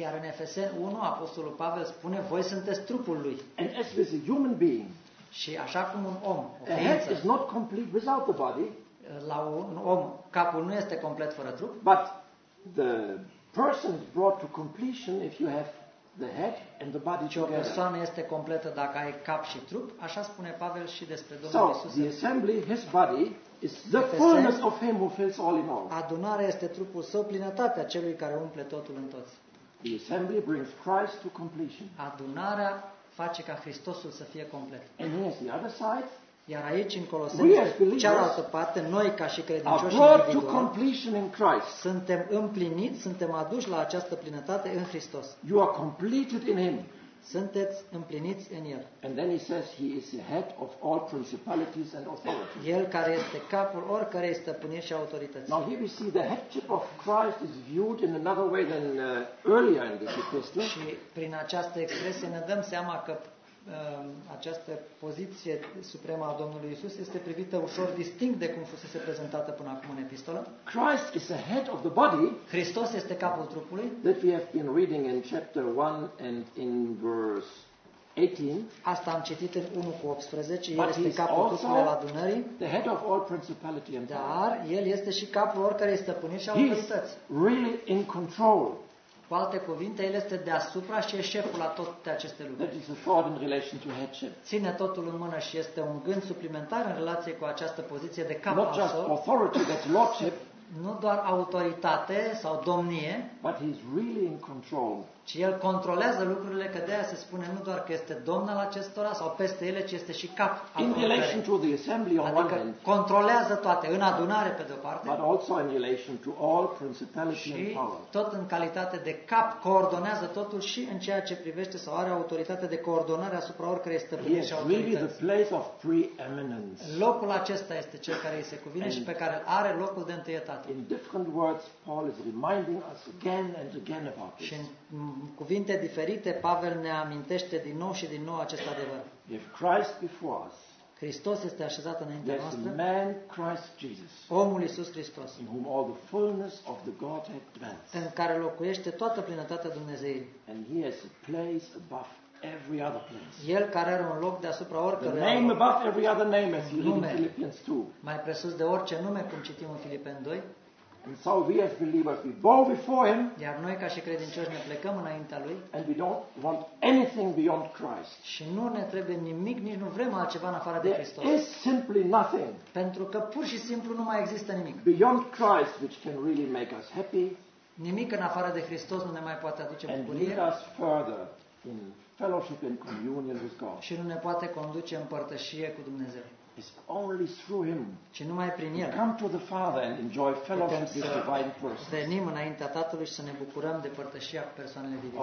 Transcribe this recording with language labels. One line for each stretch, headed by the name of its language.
Romanian: Iar în Efeseni 1, apostolul Pavel spune: voi sunteți trupul lui.
English: And as with a human being.
Romanian: Și așa cum un om,
English: a head is not complete without the body.
Romanian: La un om, capul nu este complet fără trup.
English: But the person is brought to completion if you have the head and the body together.
Romanian: O persoană este completă dacă ai cap și trup, așa spune Pavel și despre Domnul Iisus.
English: So, the assembly, his body, is the fullness of him who fills all in all.
Romanian: Adunarea este trupul său, plinătatea celui care umple totul în toți.
English: The assembly brings Christ to completion.
Romanian: Adunarea face ca Hristosul să fie complet.
English: And here's the other side.
Romanian: Iar aici, în Coloseni, cealaltă parte, noi ca și credincioși, suntem împliniți, suntem aduși la această plinătate în Hristos.
English: You are completed in him.
Romanian: Sunteți împliniți în El.
English: And then he says he is the head of all principalities and authorities.
Romanian: El care este capul oricărei stăpâniri și autorități.
English: Now here we see the headship of Christ is viewed in another way than earlier in this epistle.
Romanian: Și prin această expresie ne dăm seama că această poziție supremă a Domnului Iisus este privită ușor distinct de cum fusese prezentată până acum în epistolă.
English: Christ is the head of the body.
Romanian: Hristos este capul trupului.
English: That we have been reading in chapter 1 and in verse 18.
Romanian: Asta am citit în 1 cu 18. El este capul trupului al adunării.
English: The head of all principality and power.
Romanian: Dar el este și capul oricărei stăpâniri și autorități.
English: Really in control.
Romanian: Cu alte cuvinte, el este deasupra și e șeful la toate aceste lucruri. Ține totul în mână și este un gând suplimentar în relație cu această poziție de cap.
English: Not just authority, but lordship,
Romanian: nu doar autoritate sau domnie,
English: but he's really in control.
Romanian: Ci el controlează lucrurile, că de aia se spune nu doar că este domn al acestora sau peste ele, ci este și cap al lucrurilor.
English: In relation to the assembly on
Romanian: adică
English: one hand,
Romanian: controlează toate, în adunare pe de o parte,
English: but also in relation to all principality
Romanian: și
English: and power.
Romanian: Tot în calitate de cap, coordonează totul și în ceea ce privește sau are autoritate de coordonare asupra oricărei stăpâniri și autorități.
English: Really the place of preeminence.
Romanian: Locul acesta este cel care îi se cuvine și pe care are locul de întâietate.
English: In different words, Paul is reminding us again and again about this.
Romanian: Cuvinte diferite, Pavel ne amintește din nou și din nou acest adevăr.
English: If Christ before us,
Romanian: Hristos este așezat înaintea noastră.
English: The man Christ Jesus,
Romanian: omul Iisus Hristos,
English: in whom all the fullness of the Godhead dwells,
Romanian: în care locuiește toată plinătatea Dumnezeirii.
English: And he has a place above every other place.
Romanian: El care are un loc deasupra oricărui.
English: The name above every other name, as you read in Philippians 2.
Romanian: Mai presus de orice nume, cum citim în Filipeni 2.
English: And so we as believers we bow before him.
Romanian: Iar noi ca și credincioși ne plecăm înaintea lui.
English: And we don't want anything beyond Christ.
Romanian: Și nu ne trebuie nimic, nici nu vrem altceva în afară de Hristos.
English: There is simply nothing.
Romanian: Pentru că pur și simplu nu mai există nimic.
English: Beyond Christ which can really make us happy.
Romanian: Nimic în afară de Hristos nu ne mai poate aduce bucurie.
English: And lead us further in fellowship and communion with God.
Romanian: Și nu ne poate conduce în părtășie cu Dumnezeu.
English: It's only through him.
Romanian: Ci numai prin el.
English: Come to the Father and enjoy fellowship with divine persons.
Romanian: Venim înaintea Tatălui și să ne bucurăm de părtășia cu persoanele divine.